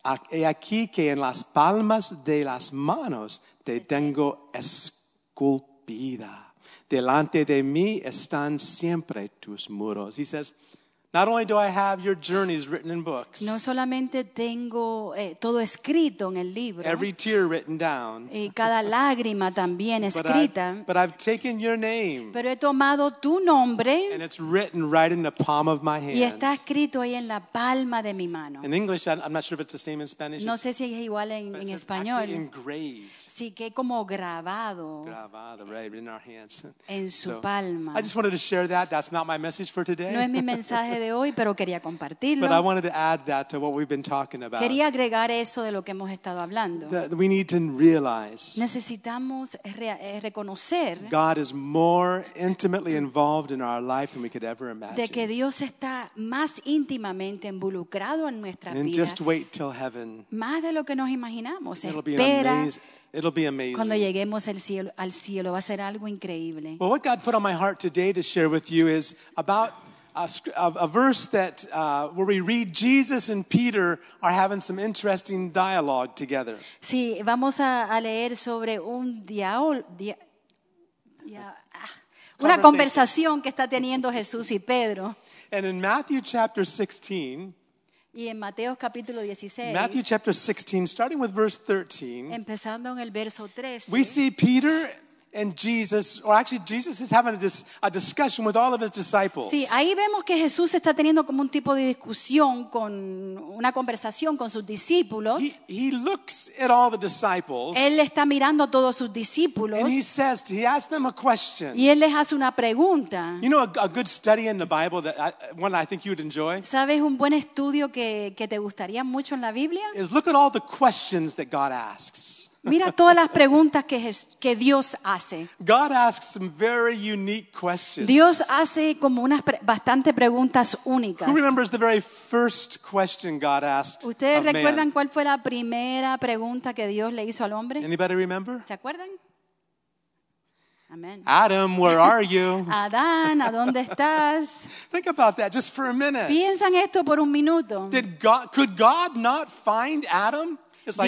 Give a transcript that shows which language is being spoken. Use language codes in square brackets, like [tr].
[es] He aquí que en las palmas de las manos te tengo esculpida. Delante de mí están siempre tus muros. [en] He says, not only do I have your journeys written in books. [es] No solamente tengo todo escrito en el libro. [en] Every tear written down. [es] Y cada lágrima también escrita. [en] But I've taken your name. [es] Pero he tomado tu nombre. [en] And it's written right in the palm of my hand. [es] Y está escrito ahí en la palma de mi mano. [en] In English, I'm not sure if it's the same in Spanish. [es] No sé si es igual en español. [en] It's actually engraved. [es] Sí, que como grabado. [en] Grabado, right, in our hands. [es] En su palma. [en] I just wanted to share that. That's not my message for today. [es] No es mi mensaje de hoy, pero quería compartirlo. [en] But I wanted to add that to what we've been talking about. [es] Quería agregar eso de lo que hemos estado hablando. [en] That we need to realize. [es] Necesitamos reconocer. [en] God is more intimately involved in our life than we could ever imagine. [es] De que Dios está más íntimamente involucrado en nuestras vidas. [en] And just wait till heaven. [es] Más de lo que nos imaginamos. [en] It'll be amazing. [es] Cuando lleguemos al cielo va a ser algo increíble. [en] Well, what God put on my heart today to share with you is about a verse that where we read Jesus and Peter are having some interesting dialogue together. [es] Sí, vamos a leer sobre un una conversación que está teniendo Jesús y Pedro. [en] And in Matthew chapter 16. [es] Y en Mateo capítulo 16. [en] Matthew chapter 16, starting with verse 13. [es] Empezando en el verso 13. [en] We see Peter and Jesus, or actually Jesus is having a discussion with all of his disciples. [es] Sí, ahí vemos que Jesús está teniendo como un tipo de discusión con una conversación con sus discípulos. [en] He looks at all the disciples. [es] Él está mirando a todos sus discípulos. [en] And he asks them a question. [es] Y él les hace una pregunta. [en] You know a good study in the Bible that one I think you would enjoy. [es] ¿Sabes un buen estudio que te gustaría mucho en la Biblia? [en] Is look at all the questions that God asks. [es] Mira todas las preguntas que Dios hace. [en] God asks some very unique questions. [es] Dios hace como unas bastante preguntas únicas. [en] Who remembers the very first question God asked of man? [es] ¿Ustedes recuerdan cuál fue la primera pregunta que Dios le hizo al hombre? [en] Anybody remember? [es] ¿Se acuerdan? Amen. [en] Adam, where are you? [es] Adán, ¿a dónde estás? [en] Think about that just for a minute. [es] Piensa en esto por un minuto. [en] Could God not find Adam? It's like,